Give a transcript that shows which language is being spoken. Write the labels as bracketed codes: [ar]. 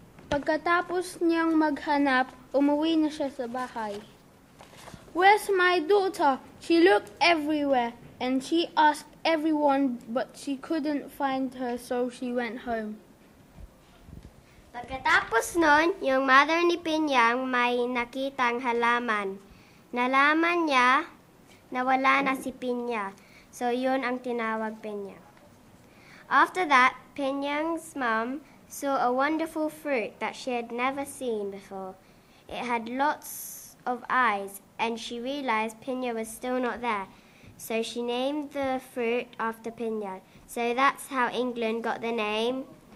[tl] Pagkatapos niyang maghanap, umuwi na siya sa bahay. [en] Where's my daughter? She looked everywhere and she asked everyone, but she couldn't find her, so she went home. [tl] Pagkatapos nun, yung mother ni Pinyang may nakitang halaman. Nalaman niya na wala na si Pinya, so yun ang tinawag Pinya. [en] After that, Pinyang's mom saw a wonderful fruit that she had never seen before. It had lots of eyes, and she realized Pinya was still not there. So she named the fruit after Pinya. So that's how England got the name...